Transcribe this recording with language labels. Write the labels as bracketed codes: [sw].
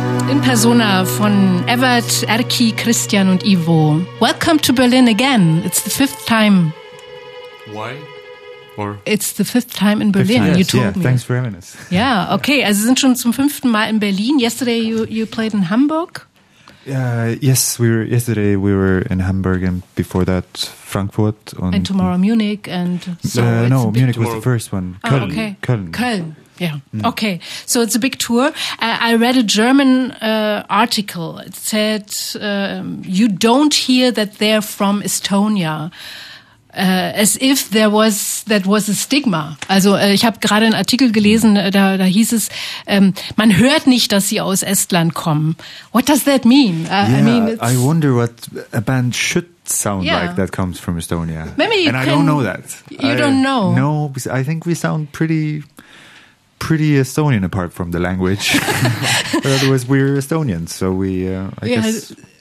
[de] In persona von Evert, Erki, Christian und Ivo. [en] Welcome to Berlin again. It's the fifth time. Why? It's the fifth time in Berlin, you told me. Thanks for having us. [de] Yeah, okay, also wir sind schon zum fünften Mal in Berlin. [en] Yesterday you played in Hamburg. Yesterday we were in Hamburg and before that Frankfurt. And tomorrow Munich and... Munich was the first one. Köln. Oh, okay. Köln. Yeah. Mm. Okay, so it's a big tour. I read a German article. It said you don't hear that they're from Estonia. As if that was a stigma. [de] Also ich habe gerade einen Artikel gelesen, da hieß es, man hört nicht, dass sie aus Estland kommen. [en] What does that mean? I wonder what a band should sound like that comes from Estonia. Maybe you and can, I don't know that. You I don't know. No, I think we sound pretty Estonian apart from the language. But otherwise we're Estonians, so I guess...